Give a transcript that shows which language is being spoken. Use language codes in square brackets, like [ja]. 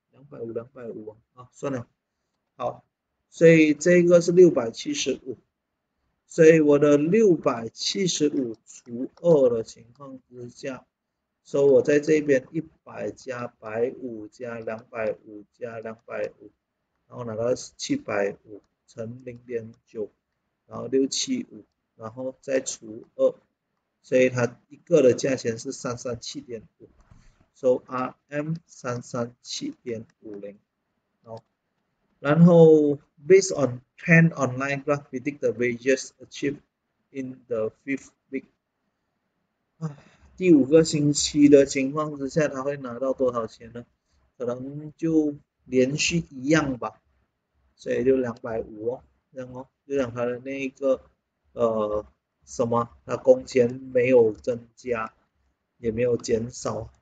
[zh] 250啊，算了，好，所以这个是675，所以我的675除2的情况之下，所以我在这边100加150加250加250，然后拿到750乘0.9，然后675，然后再除2，所以它一个的价钱是337.5。 [en] So RM 337.50，然后 based on trend online graph, predict the wages achieved in the fifth week。 [zh] 第五个星期的情况之下，他会拿到多少钱呢？可能就连续一样吧，所以就250哦，这样哦，就讲他的那一个什么，他工钱没有增加，也没有减少。